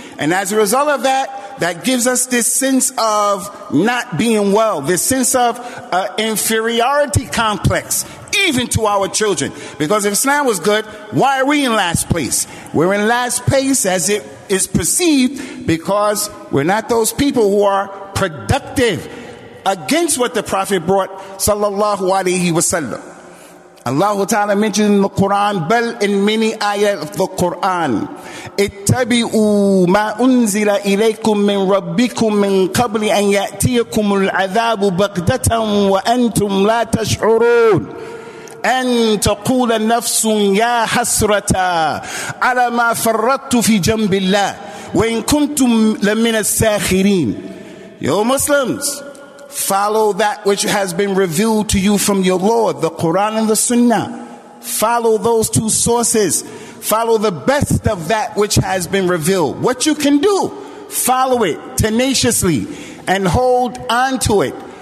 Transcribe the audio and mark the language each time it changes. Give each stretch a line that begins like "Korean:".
English: And as a result of that, that gives us this sense of not being well, this sense of inferiority complex, even to our children. Because if Islam was good, why are we in last place? We're in last place as it is perceived because we're not those people who are productive against what the Prophet brought, sallallahu alayhi wa sallam. Allah Ta'ala mentioned in the Quran,
Arabic: بل
English: in many ayat of the Quran,
Arabic: اتبعوا ما أنزل إليكم من ربكم من قبل أن يأتيكم العذاب بغتة وأنتم لا تشعرون أن تقول نفس يا حسرة على ما فرطت في جنب الله وإن كنتم لمن الساخرين.
English: Yo Muslims, follow that which has been revealed to you from your Lord, the Quran and the Sunnah. Follow those two sources. Follow the best of that which has been revealed. What you can do, follow it tenaciously and hold on to it.